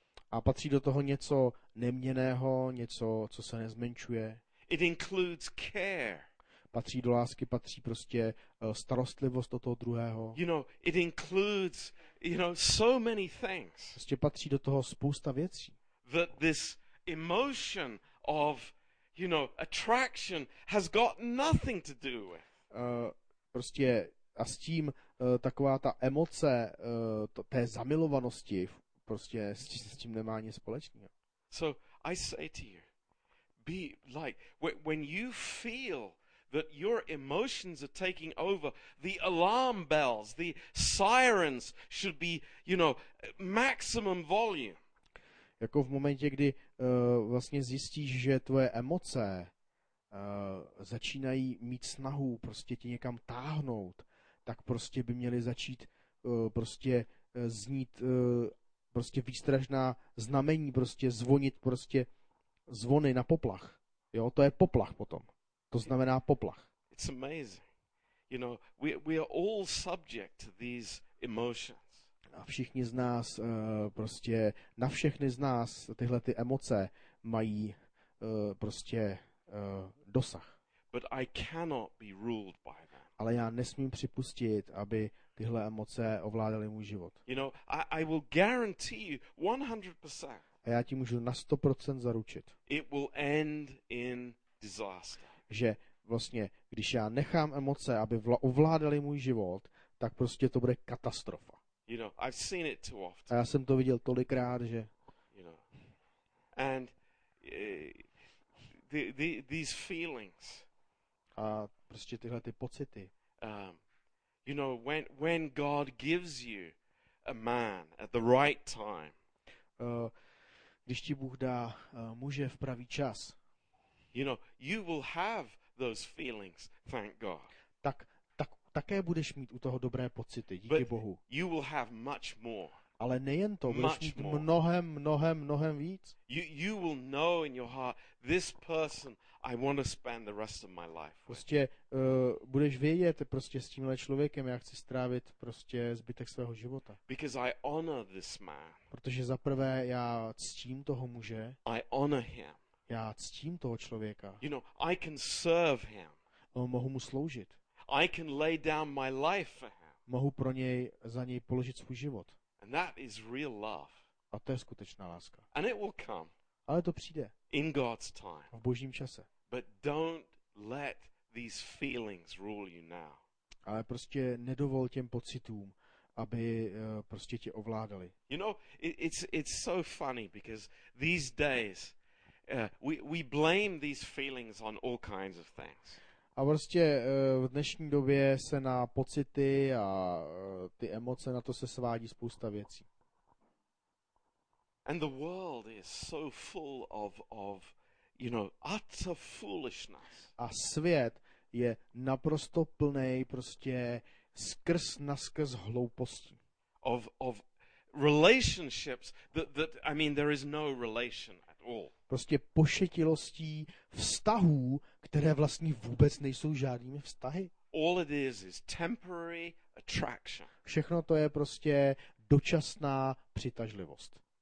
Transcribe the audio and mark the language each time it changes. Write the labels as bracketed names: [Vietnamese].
[Czech] A patří do toho něco neměnného, něco, co se nezmenšuje. [English] It includes care. [Czech] Patří do lásky, patří prostě starostlivost o toho druhého. [English] You know, it includes, you know, so many things. [Czech] Prostě patří do toho spousta věcí. [English] That this emotion of, you know, attraction has got nothing to do with. [Czech] Prostě a s tím taková ta emoce té zamilovanosti prostě s tím nemá nic společného. [English] So I say to you, be like when you feel that your emotions are taking over, the alarm bells, the sirens should be, you know, maximum volume. [Czech] Jako v momentě, kdy vlastně zjistíš, že tvoje emoce začínají mít snahu prostě tě někam táhnout, tak prostě by měly začít prostě znít prostě výstražná znamení, prostě zvonit prostě zvony na poplach. Jo, to je poplach potom. To znamená poplach. [English] It's amazing. You know, we are all subject to these emotions. [Czech] A všichni z nás, prostě na všechny z nás tyhle ty emoce mají prostě dosah. [English] But I cannot be ruled by them. [Czech] Ale já nesmím připustit, aby tyhle emoce ovládaly můj život. [English] You know, I will guarantee you 100%. [Czech] A já ti můžu na 100% zaručit. [English] It will end in disaster. [Czech] Že vlastně, když já nechám emoce, aby ovládaly můj život, tak prostě to bude katastrofa. [English] You know, I've seen it too often. [Czech] A já jsem to viděl tolikrát, že [English] you know. And these feelings. [Czech] A prostě tyhle ty pocity. [English] You know, when God gives you a man at the right time. [Czech] Když ti Bůh dá muže v pravý čas. [English] You know, you will have those feelings, thank God. [Czech] Tak také budeš mít u toho dobré pocity, díky [English] But [Czech] Bohu. [English] You will have much more. [Czech] Ale nejen to, budeš mít mnohem víc. [English] You will know in your heart this person I want to spend the rest of my life. [Czech] Prostě budeš vědět prostě s tímhle člověkem, já chci strávit prostě zbytek svého života. [English] Because I honor this man. [Czech] Protože za prvé já ctím toho muže. [English] I honor him. [Czech] Já ctím toho člověka. [English] You know, I can serve him. [Czech] Mohu mu sloužit. [English] I can lay down my life for him. [Czech] Mohu pro něj za něj položit svůj život. [English] And that is real love. [Czech] A to je skutečná láska. [English] And it will come. [Czech] Ale to přijde. [English] In God's time. [Czech] V božím čase. [English] But don't let these feelings rule you now. [Czech] Ale prostě nedovol těm pocitům, aby prostě tě ovládali. [English] You know, it's so funny because these days we blame these feelings on all kinds of things. [Czech] A prostě v dnešní době se na pocity a ty emoce, na to se svádí spousta věcí. [English] And the world is so full of you know, utter foolishness. [Czech] A svět je naprosto plný prostě skrz naskrz hloupostí. [English] Of relationships that I mean there is no relation at all. [Czech] Prostě pošetilostí vztahů, které vlastně vůbec nejsou žádnými vztahy. [English] All it is temporary attraction. [Czech] Všechno to je prostě dočasná přitažlivost.